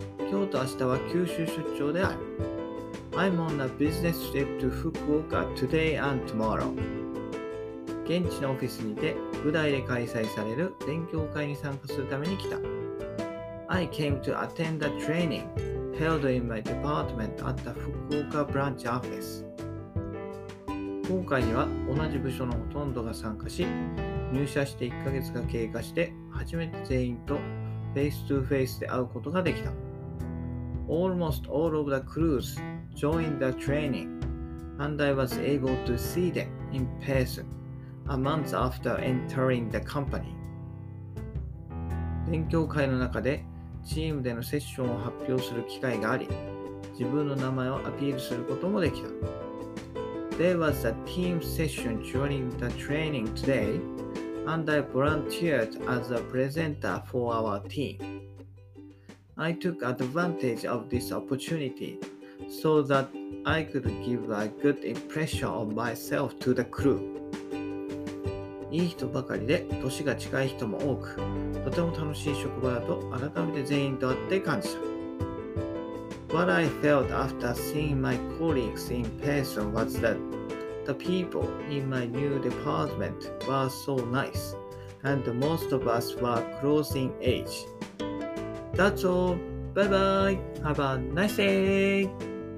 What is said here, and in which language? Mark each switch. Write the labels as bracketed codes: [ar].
[ja] 今日と明日は九州出張である。 [en] I'm on a business trip to Fukuoka today and tomorrow. [ja] 現地のオフィスにて、舞台で開催される勉強会に参加するために来た。 [en] I came to attend a training held in my department at the Fukuoka branch office. [ja] 今回には同じ部署のほとんどが参加し、入社して1ヶ月が経過して初めて全員とフェイストゥーフェイスで会うことができた。 [en] Almost all of the crews joined the training and I was able to see them in person a month after entering the company. [ja] 勉強会の中でチームでのセッションを発表する機会があり、自分の名前をアピールすることもできた。 [en] There was a team session during the training today, and I volunteered as a presenter for our team. I took advantage of this opportunity so that I could give a good impression of myself to the crew. [ja] いい人ばかりで、年が近い人も多く、とても楽しい職場だと改めて全員と会って感じた。 [en] What I felt after seeing my colleagues in person was that the people in my new department were so nice, and most of us were close in age. That's all. Bye bye. Have a nice day.